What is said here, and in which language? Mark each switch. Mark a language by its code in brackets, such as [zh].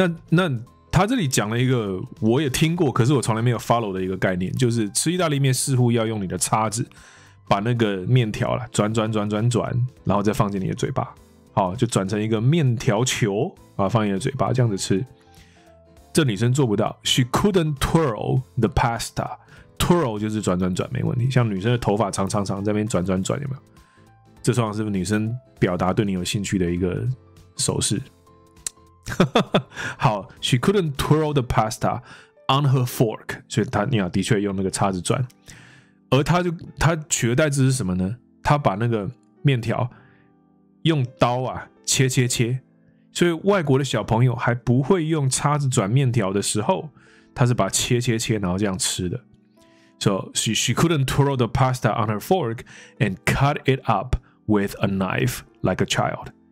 [zh] 那他这里讲了一个我也听过可是我从来没有 follow 的一个概念，就是吃意大利面似乎要用你的叉子把那个面条了转转转转转，然后再放进你的嘴巴，好，就转成一个面条球啊，放进你的嘴巴这样子吃。这女生做不到 ， [en] She couldn't twirl the pasta. [zh] Twirl 就是转转转，没问题。像女生的头发长长长，在那边转转转，有没有？这算是女生表达对你有兴趣的一个手势。好 ， [en] She couldn't twirl the pasta on her fork. [zh] 所以她你好，的确用那个叉子转。而他取而代之是什么呢？他把那个面条用刀啊切切切，所以外国的小朋友还不会用叉子转面条的时候，他是把切切切，然后这样吃的。 [en] So she couldn't twirl the pasta on her fork and cut it up with a knife like a child.